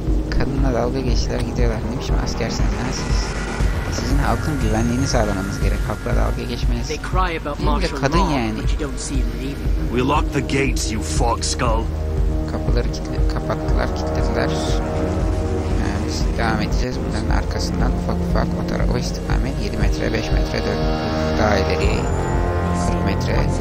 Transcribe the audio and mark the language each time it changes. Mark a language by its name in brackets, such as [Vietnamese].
[Turkish] Kadınla dalga geçtiler, gidiyorlar. Ne biçim asker sen, siz? Sizin halkın güvenliğini sağlamanız gerek. Halkla dalga geçmeniz. Değil de kadın yani. [English] We lock the gates, you fox skull. [Turkish] Kapıları kapattılar, kilitlediler. Yani biz devam edeceğiz. Bunların arkasından ufak ufak o tarafa, o istikamet 7 metre, 5 metre, 4 daha ileri. 40 metre.